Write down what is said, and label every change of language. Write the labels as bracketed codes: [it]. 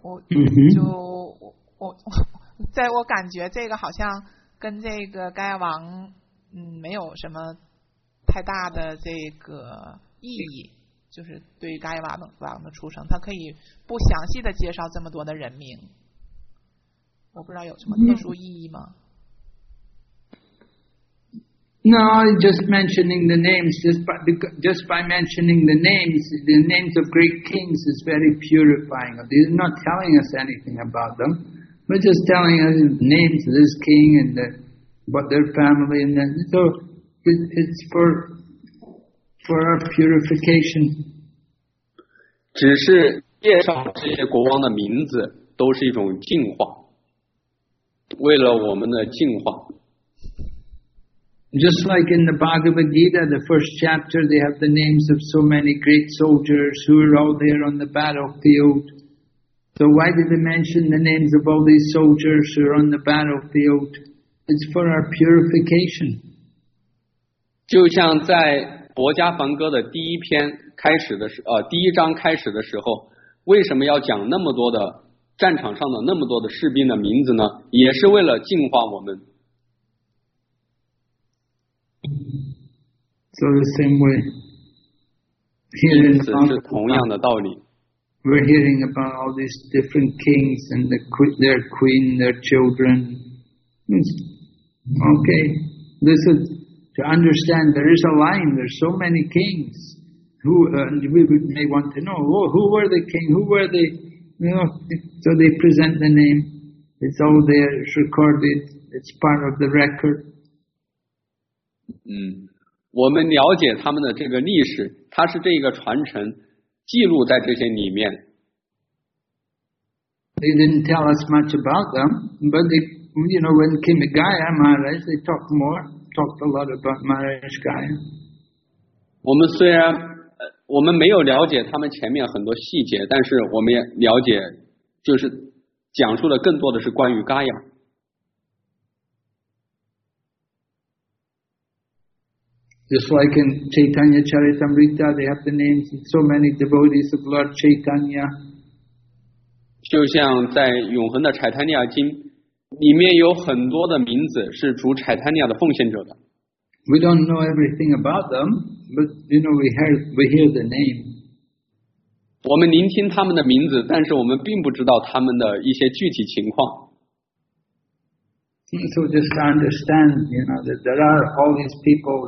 [zh] 我感觉这个好像跟这个盖王没有什么太大的这个。意义就是对于盖瓦王的出生，他可以不详细的介绍这么多的人名，我不知道有什么特殊意义吗 [en] ？No, just mentioning the names, just by mentioning the names of great kings is very purifying. They're not telling us anything about them, but just telling us names of this king and what their family and then so it's for our purification. [zh] 只是介绍这些国王的名字都是一种净化，为了我们的净化。 [en] Just like in the Bhagavad Gita, the first chapter, they have the names of so many great soldiers who are all there on the battlefield. So why did they mention the names of all these soldiers who are on the battlefield? It's for our purification. [zh] 就像在博家梵歌的第一篇开始的时候，第一章开始的时候，为什么要讲那么多的战场上的那么多的士兵的名字呢？也是为了净化我们。 [en] So the same way, hearing about [zh] 是同样的道理。 [en] We're hearing about all these different kings and their queen, their children. Okay, this is. To understand there is a line, there's so many kings who, and we may want to know, who were the king, who were they, you know, so they present the name, it's all there, it's recorded, it's part of the record. [zh] 我们了解他们的这个历史，它是这个传承记录在这些里面。 [en] They didn't tell us much about them, but they, you know, when Kimigaya Maharaj, they talked more. Talked a lot about Maharaj Gaya. [zh] 我们虽然我们没有了解他们前面很多细节，但是我们也了解，就是讲述的更多的是关于 Gaya. [en] Just like in Chaitanya Charitamrita, they have the names of so many devotees of Lord Chaitanya. [zh] 就像在永恒的柴檀尼亚经。里面有很多的名字是主柴檀尼亚的奉献者的。 [en] We don't know everything about them, but you know we hear the name. [zh] 我们聆听他们的名字，但是我们并不知道他们的一些具体情况。 [en] So just understand, you know, that there are all these people.